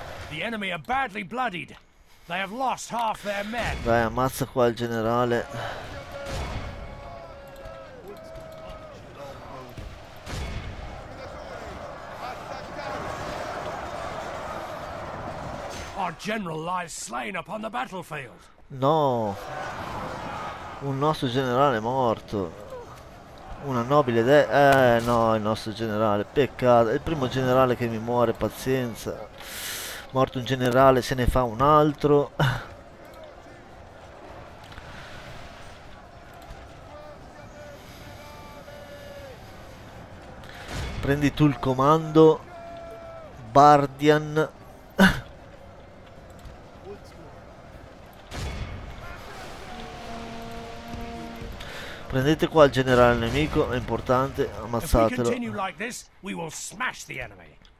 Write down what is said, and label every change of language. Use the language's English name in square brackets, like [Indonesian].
[English] The enemy are badly bloodied. They have lost half their men. [Italian] Dai, ammazza qua il generale. [English] General lies slain upon the battlefield. [Italian] No, un nostro generale morto. Una nobile idea. No, il nostro generale. Peccato. È il primo generale che mi muore, pazienza. Morto un generale, se ne fa un altro. Prendi tu il comando, Bardian. Prendete qua il generale nemico, è importante, [English] If we [Italian] ammazzatelo. [English] continue like this, we will smash the enemy.